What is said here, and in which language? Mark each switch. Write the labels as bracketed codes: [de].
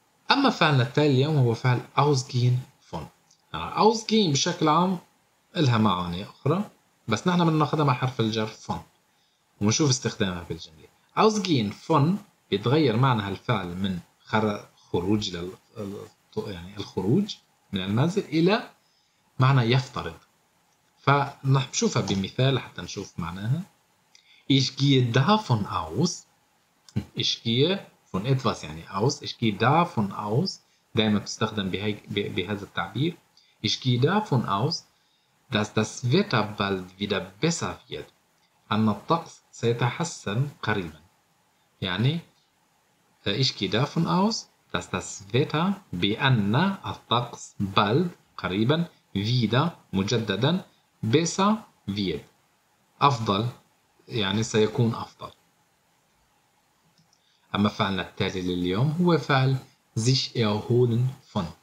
[ar] أما فعلنا التالي اليوم هو فعل ausgehen von. ausgehen بشكل عام إلها معاني أخرى بس نحن بدنا ناخذها مع حرف الجر von ونشوف استخدامها في الجملة. ausgehen von بيتغير معنى هالفعل من خروج يعني الخروج من المنزل إلى معنى يفترض. فنشوفها بمثال حتى نشوف معناها. [de] Ich gehe davon aus. Ich gehe von etwas [ar] يعني [de] aus. Ich gehe davon aus. [ar] دائما تستخدم بهذا التعبير. [de] Ich gehe davon aus, dass das Wetter bald wieder besser wird. [ar] أن الطقس سيتحسن قريبا. يعني [de] Ich gehe davon aus, dass das Wetter [ar] بأن الطقس [de] bald [ar] قريبا [de] wieder [ar] مجددا [de] besser wird [ar] أفضل يعني سيكون أفضل. أما فعلنا التالي لليوم هو فعل sich erholen von.